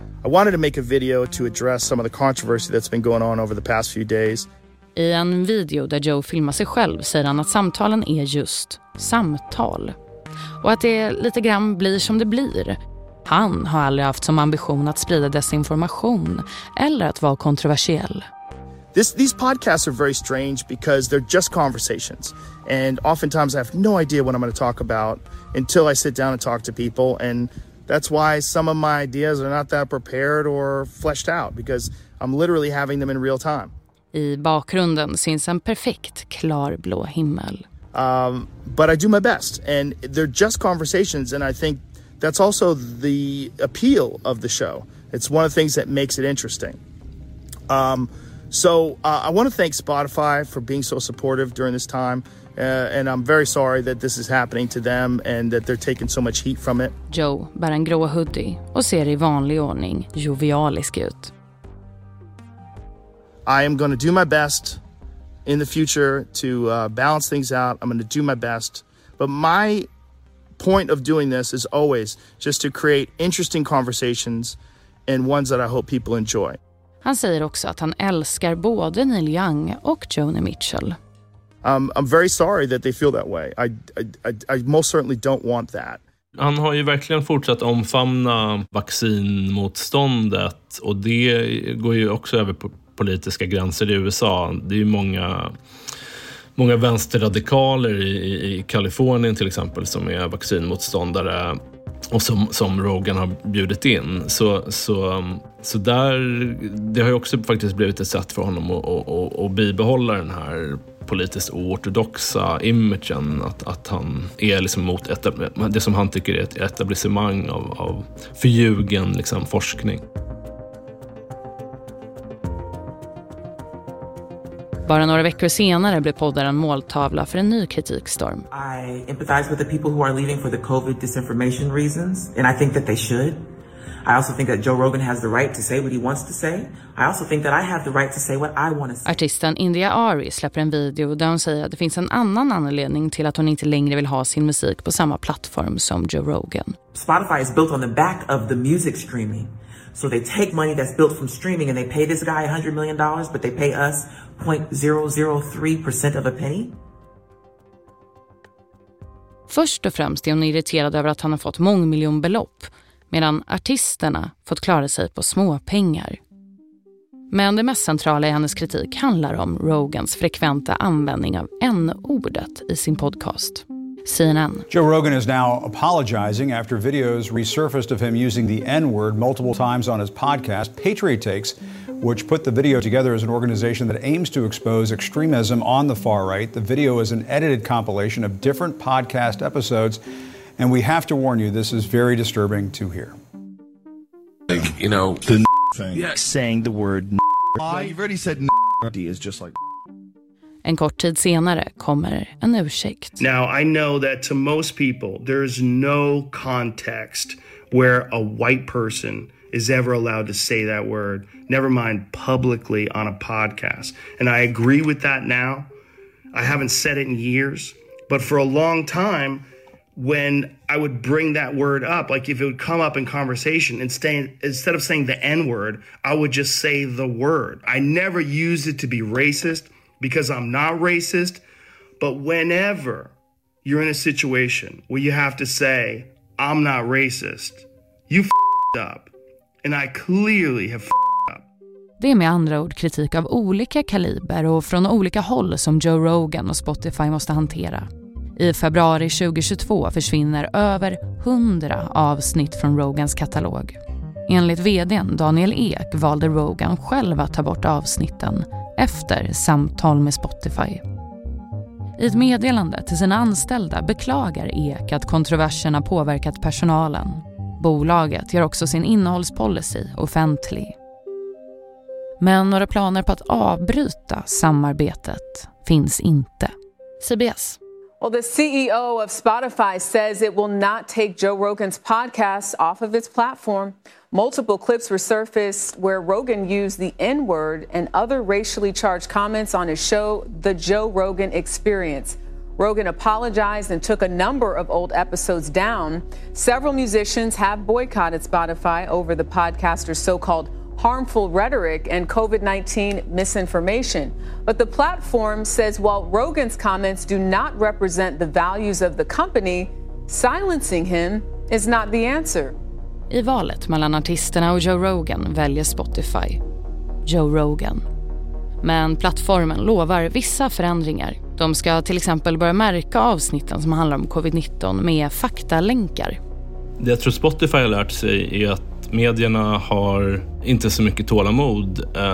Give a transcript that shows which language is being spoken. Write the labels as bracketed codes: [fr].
[en] I wanted to make a video to address some of the controversy that's been going on over the past few days. [sv] I en video där Joe filmar sig själv säger han att samtalen är just samtal. Och att det lite grann blir som det blir. Han har aldrig haft som ambition att sprida desinformation eller att vara kontroversiell. [en] These podcasts are very strange because they're just conversations. And oftentimes I have no idea what I'm going to talk about until I sit down and talk to people. And that's why some of my ideas are not that prepared or fleshed out, because I'm literally having them in real time. [sv] I bakgrunden syns en perfekt klarblå himmel. [en] But I do my best, and they're just conversations, and I think that's also the appeal of the show. It's one of the things that makes it interesting. I want to thank Spotify for being so supportive during this time. And I'm very sorry that this is happening to them and that they're taking so much heat from it. [sv] Joe bär en grå hoodie och ser i vanlig ordning jovialisk ut. [en] I am going to do my best in the future to balance things out. I'm going to do my best. But my point of doing this is always just to create interesting conversations and ones that I hope people enjoy. [sv] Han säger också att han älskar både Neil Young och Joni Mitchell. [en] I'm very sorry that they feel that way. I most certainly don't want that. [sv] Han har ju verkligen fortsatt omfamna vaccinmotståndet, och det går ju också över på politiska gränser i USA. Det är ju många vänsterradikaler i Kalifornien till exempel som är vaccinmotståndare och som Rogan har bjudit in. Så där, det har ju också faktiskt blivit ett sätt för honom att bibehålla den här politiskt ortodoxa imagen, att han är liksom mot det som han tycker är ett etablissemang av förljugen liksom forskning. Bara några veckor senare blev poddaren måltavla för en ny kritikstorm. [en] I empathize with the people who are leaving for the COVID disinformation reasons, and I think that they should. I also think that Joe Rogan has the right to say what he wants to say. I also think that I have the right to say what I want to say. [sv] Artisten India Ari släpper en video där hon säger att det finns en annan anledning till att hon inte längre vill ha sin musik på samma plattform som Joe Rogan. [en] Spotify is built on the back of the music streaming. So they take money that's built from streaming and they pay this guy $100 million, but they pay us 0.003% of a penny. [sv] Först och främst är hon irriterad över att han har fått mångmiljonbelopp, medan artisterna fått klara sig på små pengar. Men det mest centrala i hennes kritik handlar om Rogans frekventa användning av N-ordet i sin podcast. [en] CNN. Joe Rogan is now apologizing after videos resurfaced of him using the N-word multiple times on his podcast Patriot Takes, which put the video together as an organization that aims to expose extremism on the far right. The video is an edited compilation of different podcast episodes, and we have to warn you, this is very disturbing to hear. Like, you know, the thing. Yeah, saying the word. You've already said D is just like. [sv] En kort tid senare kommer en ursäkt. [en] Now, I know that to most people, there is no context where a white person is ever allowed to say that word, never mind publicly on a podcast. And I agree with that now. I haven't said it in years, but for a long time, when I would bring that word up, like if it would come up in conversation, instead of saying the N-word, I would just say the word. I never used it to be racist, because I'm not racist, but whenever you're in a situation where you have to say, I'm not racist, you f***ed up. And I clearly have f***ed up. [sv] Det är med andra ord kritik av olika kaliber och från olika håll som Joe Rogan och Spotify måste hantera. I februari 2022 försvinner över 100 avsnitt från Rogans katalog. Enligt vdn Daniel Ek valde Rogan själv att ta bort avsnitten efter samtal med Spotify. I ett meddelande till sina anställda beklagar Ek att kontroverserna påverkat personalen. Bolaget gör också sin innehållspolicy offentlig. Men några planer på att avbryta samarbetet finns inte. [en] CBS. Well, the CEO of Spotify says it will not take Joe Rogan's podcast off of its platform. Multiple clips were surfaced where Rogan used the N-word and other racially charged comments on his show, The Joe Rogan Experience. Rogan apologized and took a number of old episodes down. Several musicians have boycotted Spotify over the podcaster's so-called harmful rhetoric and COVID-19 misinformation. But the platform says while Rogan's comments do not represent the values of the company, silencing him is not the answer. [sv] I valet mellan artisterna och Joe Rogan väljer Spotify Joe Rogan. Men plattformen lovar vissa förändringar. De ska till exempel börja märka avsnitten som handlar om covid-19 med faktalänkar. Det jag tror Spotify har lärt sig är att medierna har inte så mycket tålamod.